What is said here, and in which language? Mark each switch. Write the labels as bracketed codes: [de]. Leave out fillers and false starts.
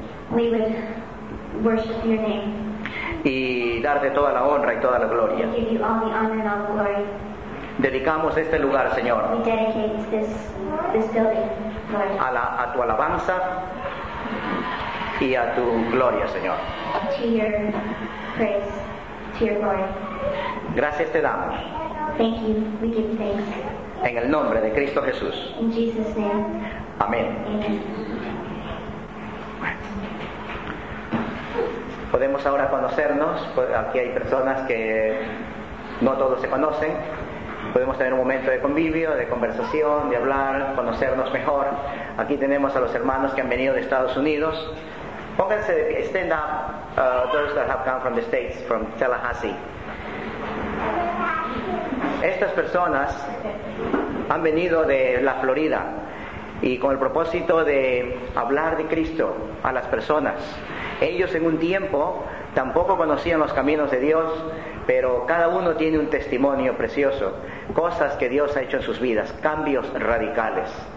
[en] we would worship your name, [es] y darte toda la honra y toda la gloria, [en] and give you all the honor and all the glory. [es] Dedicamos este lugar, Señor, [en] we dedicate this building, Lord, [es] a tu alabanza y a tu gloria, Señor, [en] to your praise, to your glory. [es] Gracias te damos. [en] Thank you. We give thanks. [es] En el nombre de Cristo Jesús. [en] In Jesus' name. [es] Amén. [en] Amen. [es] Podemos ahora conocernos. Aquí hay personas que no todos se conocen. Podemos tener un momento de convivio, de conversación, de hablar, conocernos mejor. Aquí tenemos a los hermanos que han venido de Estados Unidos. Pónganse de pie. [en] Stand up. Those that have come from the States, from Tallahassee. [es] Estas personas han venido de la Florida y con el propósito de hablar de Cristo a las personas. Ellos en un tiempo tampoco conocían los caminos de Dios, pero cada uno tiene un testimonio precioso, cosas que Dios ha hecho en sus vidas, cambios radicales.